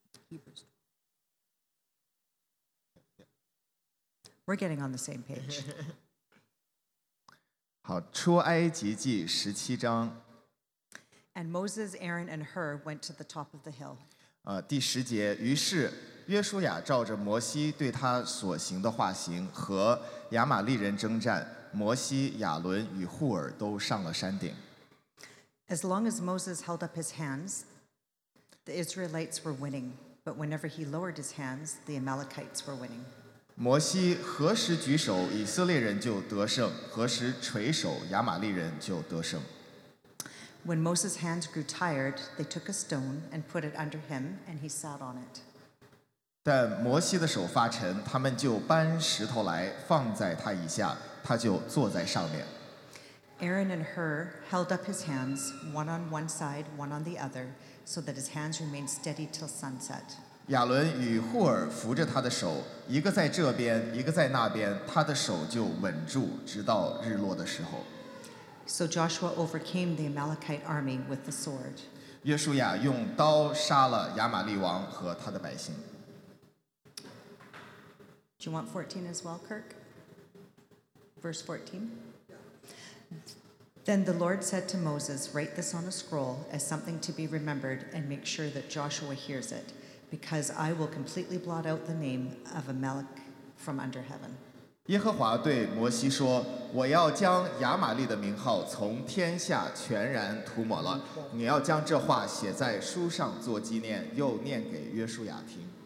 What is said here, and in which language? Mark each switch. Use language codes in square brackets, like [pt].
[en] Hebrews. Yeah. We're getting on the same page. [zh] 好，出埃及记十七章。 [en] And Moses, Aaron, and Hur went to the top of the hill. [zh] 第十节，于是约书亚照着摩西对他所行的话行，和亚玛利人征战。摩西、亚伦与户尔都上了山顶。 [en] As long as Moses held up his hands, the Israelites were winning. But whenever he lowered his hands, the Amalekites were winning. [zh] 摩西何时举手，以色列人就得胜；何时垂手，亚玛利人就得胜。 [en] When Moses' hands grew tired, they took a stone and put it under him, and he sat on it. [zh] 但摩西的手发沉，他们就搬石头来放在他以下，他就坐在上面。 [en] Aaron and Hur held up his hands, one on one side, one on the other, so that his hands remained steady till sunset. [zh] 亚伦与霍尔扶着他的手，一个在这边，一个在那边，他的手就稳住，直到日落的时候。 [en] So Joshua overcame the Amalekite army with the sword. [zh] 约书亚用刀杀了亚玛力王和他的百姓。 [en] Do you want 14 as well, Kirk? Verse 14. Then the Lord said to Moses, write this on a scroll as something to be remembered and make sure that Joshua hears it, because I will completely blot out the name of Amalek from under heaven. [zh] 耶和华对摩西说，我要将亚玛力的名号从天下全然涂抹了，你要将这话写在书上做纪念，又念给约书亚听。